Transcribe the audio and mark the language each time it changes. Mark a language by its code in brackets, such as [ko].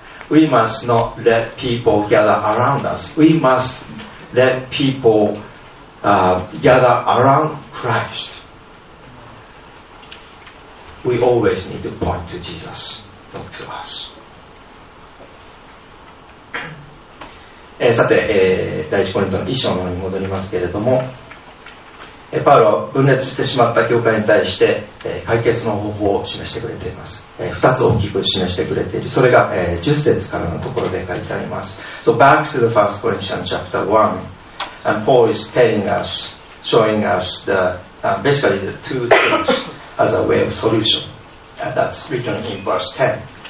[en] We must not let people gather around us. We must let people gather around Christ. We always need to point to Jesus, not to us. [ja] さて、第1コリントの1章の方に戻りますけれども、パウロは分裂してしまった教会に対して、解決の方法を示してくれています。 2つ大きく示してくれている。それが、10節からのところで書いてあります。 [en] So back to the First Corinthians chapter 1, and Paul is telling us, showing us the, basically the two things as a way of solution, and that's written in verse 10.